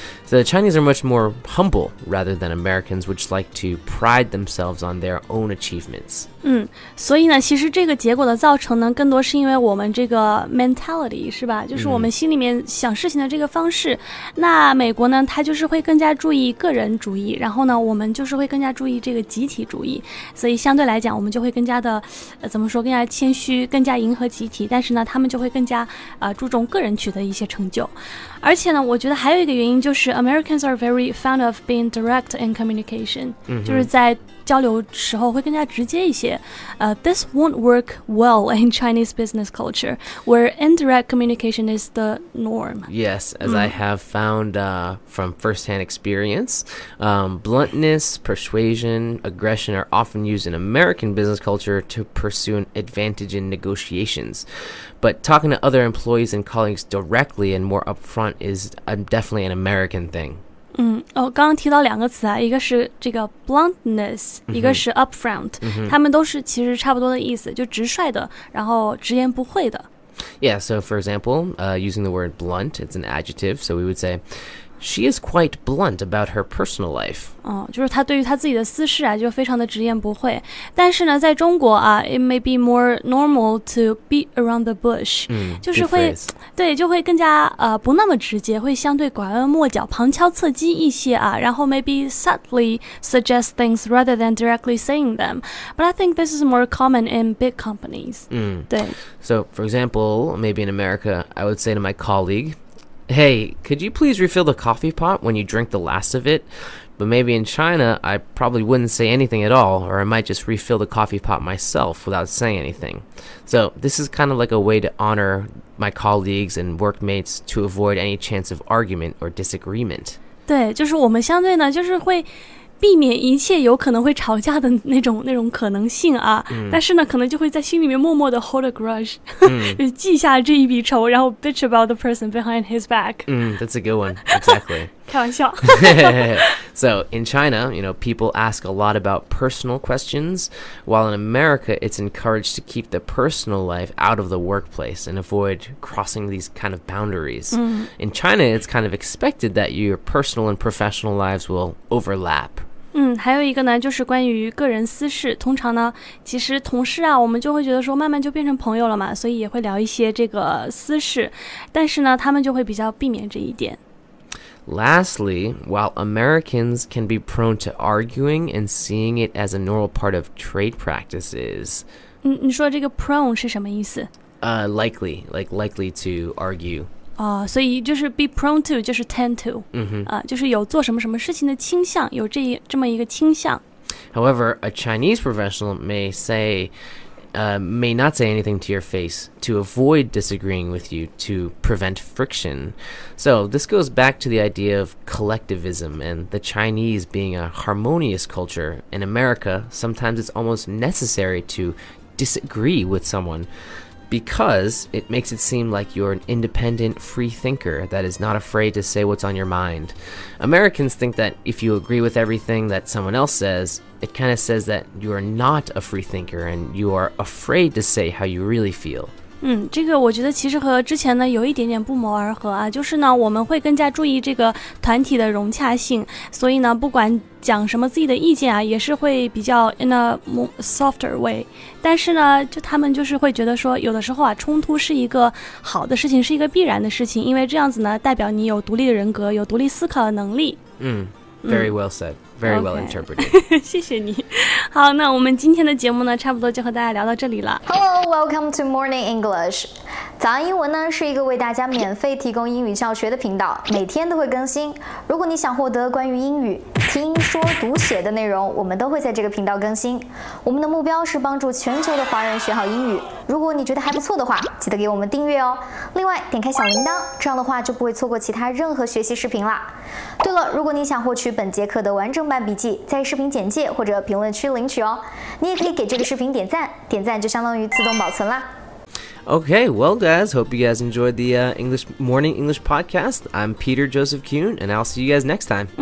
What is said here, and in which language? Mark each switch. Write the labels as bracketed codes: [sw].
[en] So the Chinese are much more humble rather than Americans, which like to pride themselves on their own achievements. [zh] 所以呢，其实这个结果的造成呢，更多是因为我们这个 mentality, 是吧？就是我们心里面想事情的这个方式。那美国呢，它就是会更加注意个人主义，然后呢，我们就是会更加注意这个集体主义。所以相对来讲，我们就会更加的，怎么说，更加谦虚，更加迎合集体。但是呢，他们就会更加注重个人取得一些成就。而且呢，我觉得还有一个原因就是 [en] Americans are very fond of being direct in communication. [zh] 就是在交流时候会更加直接一些。 [en] This won't work well in Chinese business culture, where indirect communication is the norm. Yes, as I have found from firsthand experience, bluntness, persuasion, aggression are often used in American business culture to pursue an advantage in negotiations. But talking to other employees and colleagues directly and more upfront is definitely an American thing. [zh] 刚刚提到两个词啊，一个是这个 bluntness, 一个是 upfront, 他们都是其实差不多的意思，就直率的，然后直言不讳的。 [en] Yeah, so for example, using the word blunt, it's an adjective, so we would say, She is quite blunt about her personal life. [zh] 就是她对于她自己的私事啊，就非常的直言不讳。但是呢，在中国啊， [en] it may be more normal to beat around the bush. [zh] 就是会，对，就会更加不那么直接，会相对拐弯抹角、旁敲侧击一些啊。然后 [en] maybe subtly suggest things rather than directly saying them. But I think this is more common in big companies. [zh] 对。 [en] So, for example, maybe in America, I would say to my colleague,Hey, could you please refill the coffee pot when you drink the last of it? But maybe in China, I probably wouldn't say anything at all, or I might just refill the coffee pot myself without saying anything. So this is kind of like a way to honor my colleagues and workmates to avoid any chance of argument or disagreement. [zh] 对，就是我们相对呢，就是会避免一切有可能会吵架的那种可能性啊。但是呢，可能就会在心里面默默的 [en] hold a grudge, [zh] 就记下这一笔仇，然后 [en] bitch about the person behind his back. That's a good one, exactly. [zh] 开玩笑。 [en] So, in China, you know, people ask a lot about personal questions, while in America, it's encouraged to keep the personal life out of the workplace and avoid crossing these kind of boundaries. In China, it's kind of expected that your personal and professional lives will overlap. [zh] 还有一个呢，就是关于个人私事。通常呢，其实同事啊，我们就会觉得说，慢慢就变成朋友了嘛，所以也会聊一些这个私事。但是呢，他们就会比较避免这一点。 [en] Lastly, while Americans can be prone to arguing and seeing it as a normal part of trade practices, [zh] 你说这个 prone 是什么意思？ [en] Likely, like likely to argue. [zh] 所以就是 be prone to, 就是 [en] tend to, [zh] 就是有做什么什么事情的倾向，有这么一个倾向。 [en] However, a Chinese professional may not say anything to your face to avoid disagreeing with you to prevent friction. So this goes back to the idea of collectivism and the Chinese being a harmonious culture. In America, sometimes it's almost necessary to disagree with someone. Because it makes it seem like you're an independent free thinker that is not afraid to say what's on your mind. Americans think that if you agree with everything that someone else says, it kind of says that you're not a free thinker and you are afraid to say how you really feel. [zh] 这个我觉得其实和之前呢有一点点不谋而合啊，就是呢我们会更加注意这个团体的融洽性，所以呢不管讲什么自己的意见啊，也是会比较 [en] in a softer way, [zh] 但是呢就他们就是会觉得说有的时候啊冲突是一个好的事情，是一个必然的事情，因为这样子呢代表你有独立的人格，有独立思考的能力。 [en] Very well said. Very well interpreted. [zh] 谢谢你。好，那我们今天的节目呢，差不多就和大家聊到这里了。 Hello, welcome to Morning English. 早安英文呢，是一个为大家免费提供英语教学的频道，每天都会更新。如果你想获得关于英语听说读写的内容，我们都会在这个频道更新。我们的目标是帮助全球的华人学好英语。如果你觉得还不错的话，记得给我们订阅哦。另外，点开小铃铛，这样的话就不会错过其他任何学习视频了。对了，如果你想获取本节课的完整版笔记，在视频简介或者评论区领取哦。你也可以给这个视频点赞，点赞就相当于自动保存啦。 [en] Okay, well guys, hope you guys enjoyed the English Morning English Podcast. I'm Peter Joseph Kuhn, and I'll see you guys next time.